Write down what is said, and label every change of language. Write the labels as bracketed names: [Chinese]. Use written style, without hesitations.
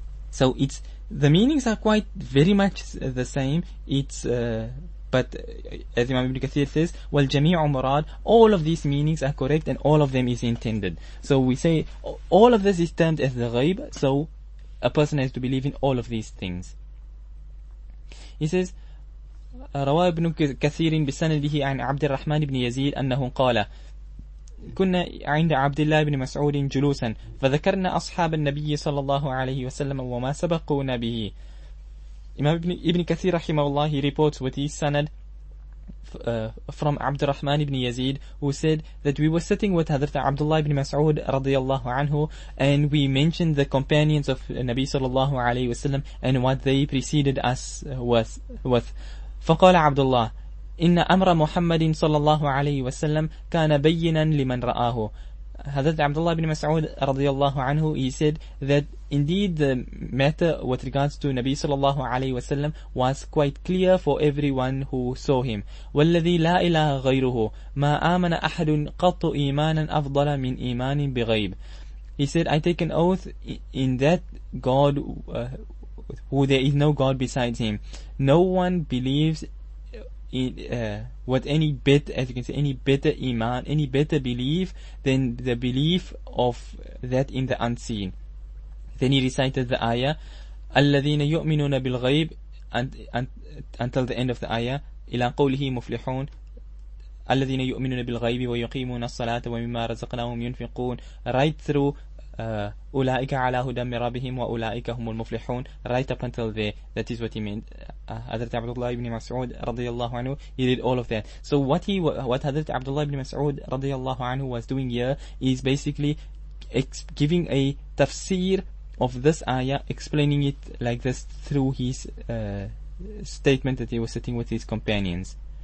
[English] So it's, the meanings are quite very much the same. It's, but as Imam Ibn Kathir says, [Arabic] wal jami'u murad, [English] all of these meanings are correct and all of them is intended. So we say all of this is termed as the ghayb, so a person has to believe in all of these things. He says, [Arabic] روى ابن كثير بسنده عن عبد الرحمن بن يزيد أنه قال كنا عند عبد الله بن مسعود جلوسا فذكرنا أصحاب النبي صلى الله عليه وسلم وما سبقونا به. [English] Imam Ibn Kathir rahimahullah, he reports with his sanad from Abd al-Rahman ibn Yazid, who said that we were sitting with Hadrat Abdullah ibn Mas'ud radiyallahu anhu, and we mentioned the companions of Nabi sallallahu alayhi wasallam and what they preceded us with. [Arabic] فقال عبد الله إن أمر محمد صلى الله عليه وسلم كان بينا لمن رآه. [English] Hadrat Abdullah ibn Mas'ud radiyallahu anhu, he said that indeed the matter with regards to Nabi sallallahu alayhi wa sallam was quite clear for everyone who saw him. [Arabic] وَالَّذِي لَا إِلَهَ غَيْرُهُ مَا آمَنَ أَحَدٌ قَطُّ إِيمَانًا أَفْضَلَ مِنْ إِيمَانٍ بِغَيْبٍ. [English] He said, I take an oath in that God, who there is no God besides him. No one believes in what any bit, as you can say, any better iman, any better belief than the belief of that in the unseen. Then he recited the ayah, [Arabic] الَّذِينَ يُؤْمِنُونَ بِالْغَيْبِ [English] until the end of the ayah, [Arabic] إِلَىٰ قَوْلِهِ مُفْلِحُونَ الَّذِينَ يُؤْمِنُونَ بِالْغَيْبِ وَيُقِيمُونَ الصَّلَاةَ وَمِمَّا رَزَقْنَاهُمْ يُنْفِقُونَ [English] Right through [Arabic] أُولَٰئِكَ عَلَىٰ هُدًى مِّن رَّبِّهِمْ وَأُولَٰئِكَ هُمُ الْمُفْلِحُونَ [English] Right up until there. That is what he meant. Hazrat Abdullah ibn Mas'ud radiyallahu anhu, he did all of that. So what Hazrat Abdullah ibn Mas'ud radiyallahu anhu was doing here is basically giving a tafsir of this ayah, explaining it like this through his statement that he was sitting with his companions.